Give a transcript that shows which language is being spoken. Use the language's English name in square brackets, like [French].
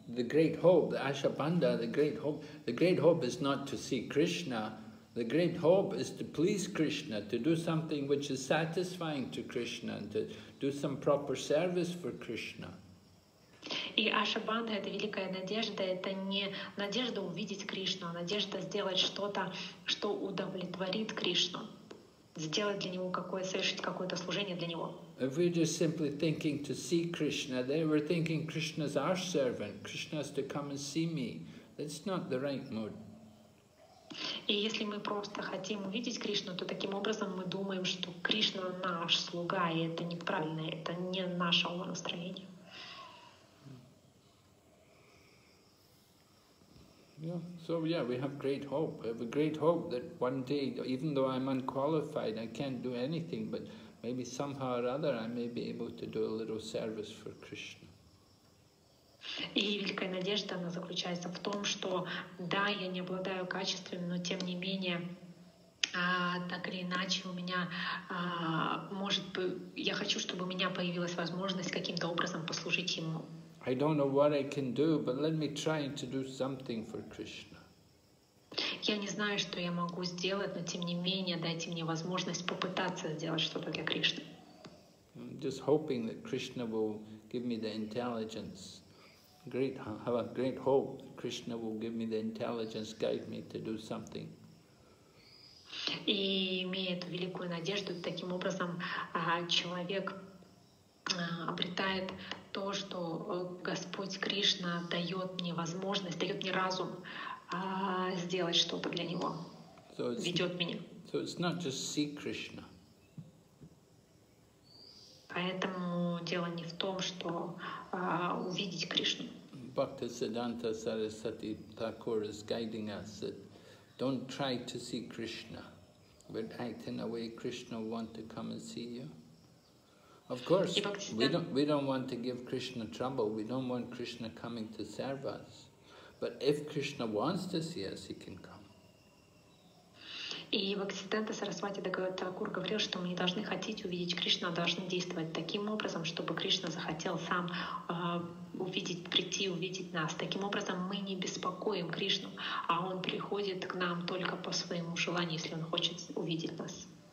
[English] the great hope, the Ashapanda, the great hope. The great hope is not to see Krishna. The great hope is to please Krishna, to do something which is satisfying to Krishna, and to do some proper service for Krishna. [Russian] И Ашабанда – это великая надежда, это не надежда увидеть Кришну, а надежда сделать что-то, что удовлетворит Кришну, сделать для Него какое-то, совершить какое-то служение для Него. [English] If we're just simply thinking to see Krishna, they were thinking Krishna's our servant, Krishna has to come and see me. That's not the right mood. [Russian] И если мы просто хотим увидеть Кришну, то таким образом мы думаем, что Кришна – наш слуга, и это неправильно, это не наше настроение. [English] Yeah. So yeah, we have great hope. We have a great hope that one day, even though I'm unqualified, I can't do anything, but maybe somehow or other I may be able to do a little service for Krishna. [Russian] И великая надежда, она заключается в том, что да, я не обладаю качествами, но тем не менее, так или иначе, у меня может быть, я хочу, чтобы у меня появилась возможность каким-то образом послужить ему. [English] I don't know what I can do, but let me try to do something for Krishna. [Russian] Я не знаю, что я могу сделать, но тем не менее, дайте мне возможность попытаться сделать что-то для Кришны. [English] I'm just hoping that Krishna will give me the intelligence. Great, have a great hope that Krishna will give me the intelligence, guide me to do something. [Russian] И имея эту великую надежду, таким образом человек обретает то, что Господь Кришна дает мне возможность, дает мне разум сделать что-то для Него, ведет меня. [English] So it's not just see Krishna. [Russian] Поэтому дело не в том, что увидеть Кришну. [English] Bhaktisiddhanta Sarasvati Thakur is guiding us that don't try to see Krishna, but act in a way Krishna will want to come and see you. Of course, we don't want to give Krishna trouble. We don't want Krishna coming to serve us. But if Krishna wants to see us, he can come. [Russian] И Бхактисиддханта Сарасвати Тхакур говорил, что мы не должны хотеть увидеть Кришну, а должны действовать таким образом, чтобы Кришна захотел сам увидеть, прийти, увидеть нас. Таким образом, мы не беспокоим Кришну, а Он приходит к нам только по своему желанию, если Он хочет увидеть нас.